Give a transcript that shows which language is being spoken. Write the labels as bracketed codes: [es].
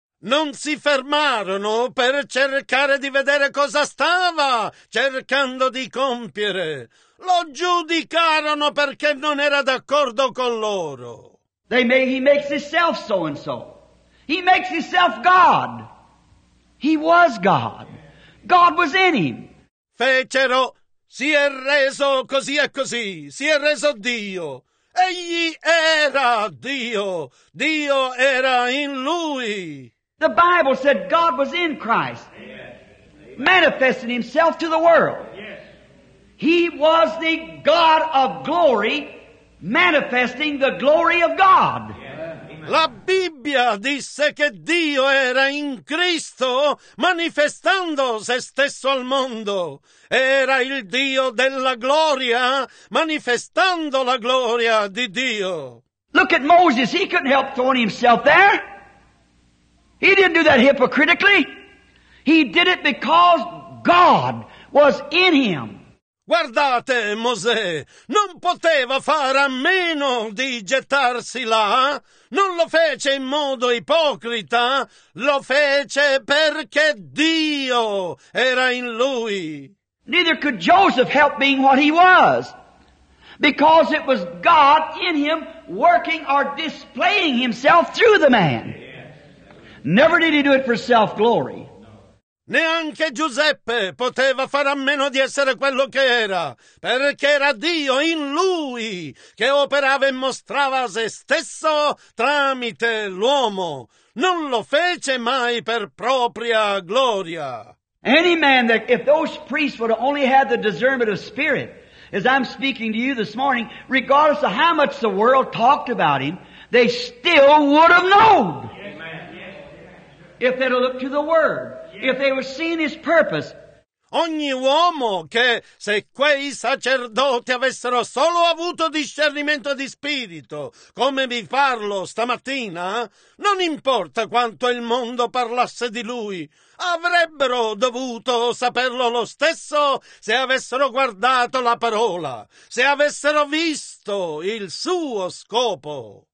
[it] Non si fermarono per cercare di vedere cosa stava cercando di compiere. Lo giudicarono perché non era d'accordo con loro. [en] He makes himself so and so. He makes himself God. He was God. God was in him. [it] Fecero, si è reso così e così, si è reso Dio. Egli era Dio. Dio era in lui. [en] The Bible said God was in Christ, Amen. Manifesting himself to the world. Yes. He was the God of glory, manifesting the glory of God. [it] La Bibbia disse che Dio era in Cristo manifestando se stesso al mondo. Era il Dio della gloria manifestando la gloria di Dio. [en] Look at Moses, he couldn't help throwing himself there. He didn't do that hypocritically. He did it because God was in him. [it] Guardate, Mosè, non poteva fare a meno di gettarsi là. Non lo fece in modo ipocrita, lo fece perché Dio era in lui. [en] Neither could Joseph help being what he was, because it was God in him working or displaying himself through the man. Never did he do it for self-glory. [it] Neanche Giuseppe poteva fare a meno di essere quello che era, perché era Dio in lui che operava e mostrava se stesso tramite l'uomo. Non lo fece mai per propria gloria. [en] Any man that, if those priests would have only had the discernment of spirit, as I'm speaking to you this morning, regardless of how much the world talked about him, they still would have known. If they'd have looked to the Word. If they were seeing his purpose. [it] Ogni uomo che, se quei sacerdoti avessero solo avuto discernimento di spirito, come vi parlo stamattina, non importa quanto il mondo parlasse di lui, avrebbero dovuto saperlo lo stesso se avessero guardato la parola, se avessero visto il suo scopo.